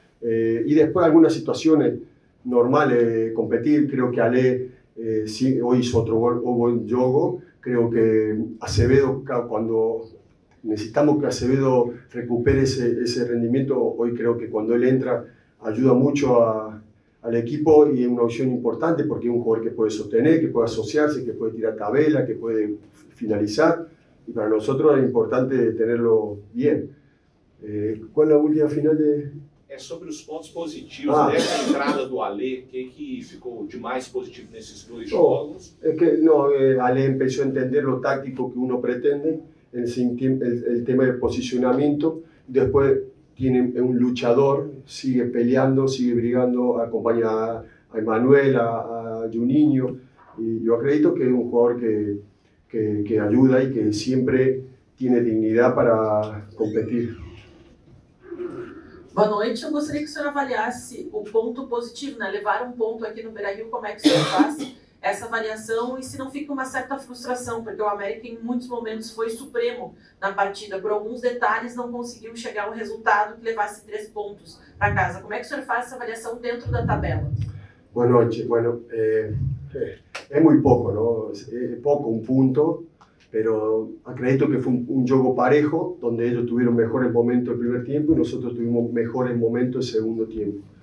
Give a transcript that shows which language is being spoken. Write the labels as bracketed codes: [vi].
[es] Y después algunas situaciones normales, competir, creo que Ale sí, hoy hizo otro buen juego, creo que Acevedo, cuando necesitamos que Acevedo recupere ese rendimiento, hoy creo que cuando él entra ayuda mucho al equipo y es una opción importante porque es un jugador que puede sostener, que puede asociarse, que puede tirar tabela, que puede finalizar y para nosotros es importante tenerlo bien. ¿Cuál es la última final de...? [pt] É sobre os pontos positivos dessa entrada do Alê, que ficou de mais positivo nesses dois jogos? Alê começou a entender o [es] táctico que uno pretende, el tema de [pt] posicionamento. Depois, tem um [es] luchador, sigue peleando, sigue [pt] brigando, acompanha a Emanuel, a Juninho. E eu acredito que é um jogador que ajuda e que sempre tem dignidade para competir. Boa noite, eu gostaria que o senhor avaliasse o ponto positivo, né? Levar um ponto aqui no Beira-Rio, como é que o senhor faz essa avaliação e se não fica uma certa frustração, porque o América em muitos momentos foi supremo na partida, por alguns detalhes não conseguiu chegar a um resultado que levasse 3 pontos para casa. Como é que o senhor faz essa avaliação dentro da tabela? Boa noite, [es] bueno, [pt] é muito pouco, não? É pouco um ponto. [es] Pero [pt] acredito que [es] fue un juego parejo, donde ellos tuvieron mejores momentos el primer tiempo y nosotros tuvimos mejores momentos el segundo tiempo.